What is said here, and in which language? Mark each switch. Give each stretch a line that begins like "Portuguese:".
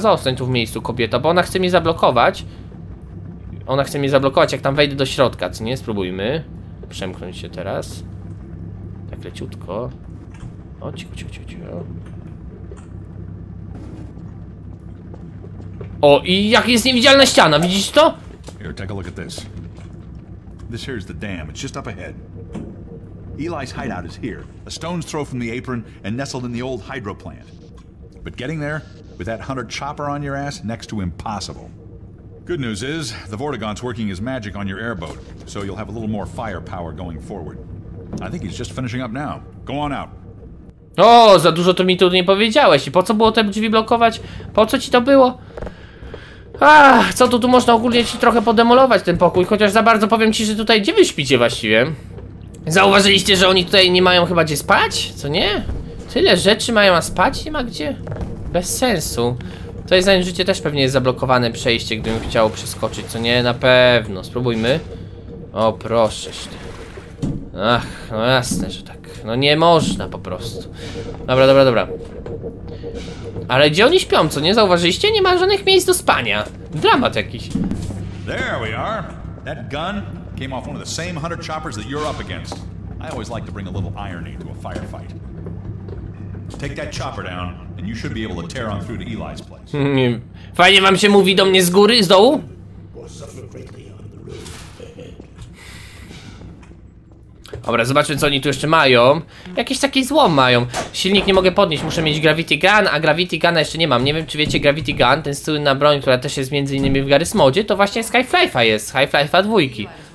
Polish: Zostań tu w miejscu, kobieta, bo ona chce mnie zablokować. Ona chce mnie zablokować, jak tam wejdę do środka, co nie? Spróbujmy. Przemknąć się teraz. Tak leciutko. O, cicho. O, i jak jest niewidzialna ściana, widzisz to?
English: Here, take a look at this. This here is the dam. It's just up ahead. Eli's hideout is here, a stone's throw from the apron and nestled in the old hydro plant. But getting there, with that hunter chopper on your ass, next to impossible. Good news is, the Vortigaunt's working his magic on your airboat, so you'll have a little more firepower going forward. I think he's just finishing up now. Go on out.
Polish: O, za dużo to mi tu nie powiedziałeś. I po co było te drzwi blokować? Po co ci to było? Ach, co tu można ogólnie ci trochę podemolować ten pokój? Chociaż za bardzo powiem ci, że tutaj gdzie wy śpicie właściwie? Zauważyliście, że oni tutaj nie mają chyba gdzie spać? Co nie? Tyle rzeczy mają, a spać nie ma gdzie? Bez sensu. Tutaj zanim życie też pewnie jest zablokowane przejście, gdybym chciał przeskoczyć, co nie? Na pewno. Spróbujmy. O, proszę. Ach, no jasne, że tak. No nie można po prostu. Dobra. Ale gdzie oni śpią, co nie? Zauważyliście? Nie ma żadnych miejsc do spania. Dramat jakiś.
English: There we are. That gun came off one of the same hunter choppers that you're up against. I always like to bring a little irony to a firefight. Take that chopper down and you should be able to tear on through to Eli's place.
Polish: Fajnie wam się mówi do mnie z góry, z dołu? Dobra, zobaczmy co oni tu jeszcze mają. Jakieś takie złom mają. Silnik nie mogę podnieść, muszę mieć Gravity Gun, a Gravity Guna jeszcze nie mam. Nie wiem czy wiecie, Gravity Gun, ten słynna broń, która też jest między innymi w Garry's Modzie, to właśnie z Half-Life'a jest, z Half-Life'a dwójki.